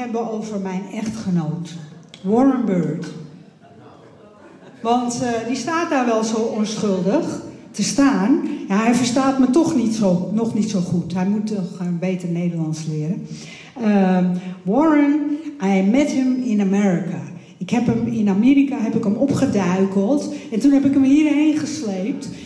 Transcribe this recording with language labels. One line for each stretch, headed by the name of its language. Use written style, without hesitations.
Dutch: Over mijn echtgenoot Warren Bird. Want die staat daar wel zo onschuldig te staan. Ja, hij verstaat me toch niet zo, nog niet zo goed. Hij moet toch een beter Nederlands leren.
English: Warren, I met him in America.
Dutch: Ik heb hem in Amerika heb ik hem opgeduikeld en toen heb ik hem hierheen gesleept.